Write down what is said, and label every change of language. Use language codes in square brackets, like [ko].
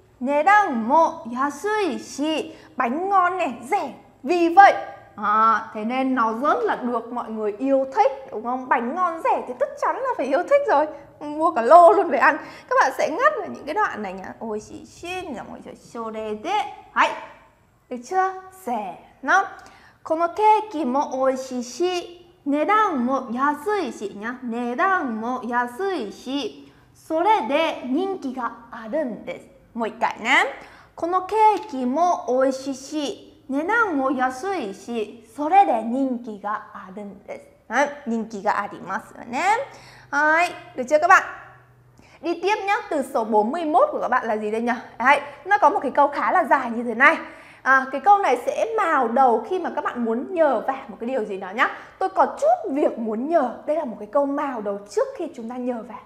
[ja] 値段も安いし [vi] bánh ngon này, rẻ. Vì vậy thế nên nó rất là được mọi người yêu thích, đúng không? Bánh ngon rẻ thì chắc chắn là phải yêu thích rồi. Mua cả lô luôn về ăn. Các bạn sẽ ngắt ở những cái đoạn này nhá. Ôi chị xin là mọi người cho đề thế. Hãy. Được chưa? Rẻ nó. [ja] このケーキも美味しいし値段も安いし nhá. 値段も安いしそれで人気があるんです。もう一回ね。このケーキも美味しいし、値段も安いし、それで人気があるんです。はい、人気がありますよね。 [vi] はい、được chưa các bạn? Đi tiếp nhé, từ số 41 của các bạn là gì đây nhỉ? Đấy, nó có một cái câu khá là dài như thế này. Cái câu này sẽ mào đầu khi mà các bạn muốn nhờ vả một cái điều gì đó nhá. Tôi có chút việc muốn nhờ. Đây là một cái câu mào đầu trước khi chúng ta nhờ vả.